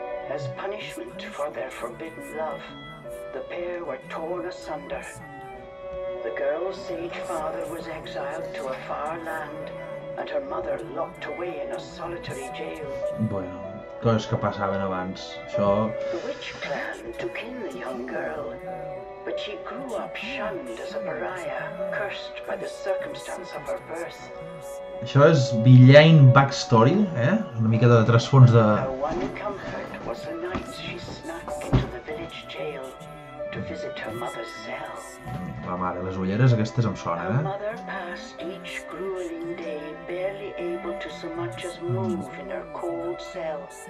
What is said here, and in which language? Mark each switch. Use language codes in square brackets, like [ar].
[en] As punishment for their forbidden love, the pair were torn asunder. The girl's sage father was exiled to a far land, and her mother locked away in a solitary jail. [ca] Bueno, coses que passaven abans, això... [en] The witch clan took in the young girl, but she grew up shunned as a pariah, cursed by the circumstance of her birth. [ca] Això és [en] Villain backstory, [ca] eh? Una miqueta de trasfons de... [en] Her one comfort was the night she snuck into the village jail to visit her mother's cell. [ca] La mare, les ulleres aquestes em sonen, eh? [en] Mother passed each grueling day, barely able to so much as move in her cold cell.